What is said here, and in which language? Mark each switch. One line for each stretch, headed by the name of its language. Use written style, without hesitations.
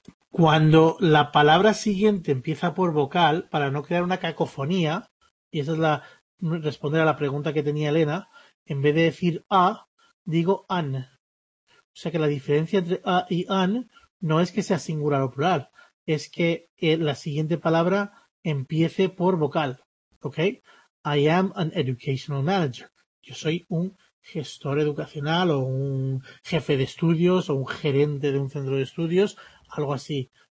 Spanish: Cuando la palabra siguiente empieza por vocal, para no crear una cacofonía, y esa es la responder a la pregunta que tenía Elena, en vez de decir a, digo an. O sea que la diferencia entre a y an no es que sea singular o plural, es que la siguiente palabra empiece por vocal. ¿Ok?
English: I am an educational manager.
Spanish: Yo soy un gestor educacional o un jefe de estudios o un gerente de un centro de estudios. Algo así.